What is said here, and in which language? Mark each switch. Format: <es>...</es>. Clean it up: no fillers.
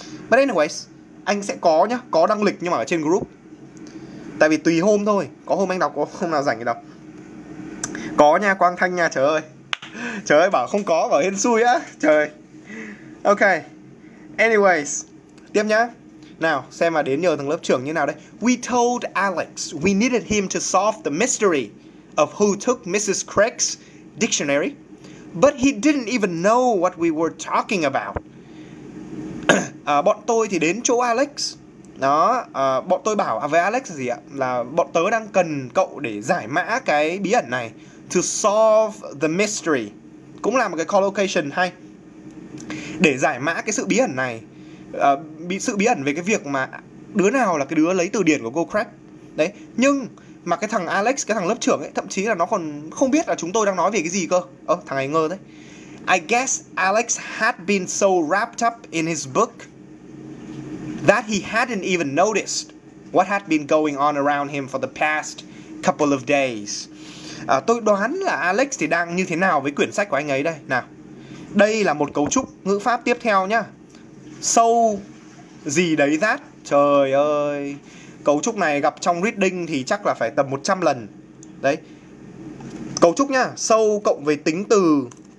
<en>But anyways,</en> <vi>anh sẽ có nhá, có đăng lịch nhưng mà ở trên group, tại vì tùy hôm thôi, có hôm anh đọc có hôm nào rảnh thì đọc. Có nha Quang Thanh nha, trời ơi, trời ơi, bảo không có bảo hên xui á, trời. Ok, anyways, tiếp nhá. Nào, xem mà đến nhờ thằng lớp trưởng như nào đây.</vi> <en>We told Alex we needed him to solve the mystery of who took Mrs. Craig's dictionary, but he didn't even know what we were talking about.</en> <vi>Bọn tôi thì đến chỗ Alex. Đó, bọn tôi bảo với Alex gì ạ? Là bọn tớ đang cần cậu để giải mã cái bí ẩn này.</vi> <en>To solve the mystery.</en> <vi>Cũng là một cái collocation hay. Để giải mã cái sự bí ẩn này. Sự bí ẩn về cái việc mà đứa nào là cái đứa lấy từ điển của cô Craig. Đấy, nhưng mà cái thằng Alex, cái thằng lớp trưởng ấy, thậm chí là nó còn không biết là chúng tôi đang nói về cái gì cơ. Ơ, thằng ấy ngơ đấy.</vi> <en>I guess Alex had been so wrapped up in his book that he hadn't even noticed what had been going on around him for the past couple of days.</en> <vi>Tôi đoán là Alex thì đang như thế nào với quyển sách của anh ấy đây. Nào, đây là một cấu trúc ngữ pháp tiếp theo nhá. So gì đấy that. Trời ơi, cấu trúc này gặp trong reading thì chắc là phải tầm 100 lần. Đấy, cấu trúc nhá, so cộng với tính từ.</vi>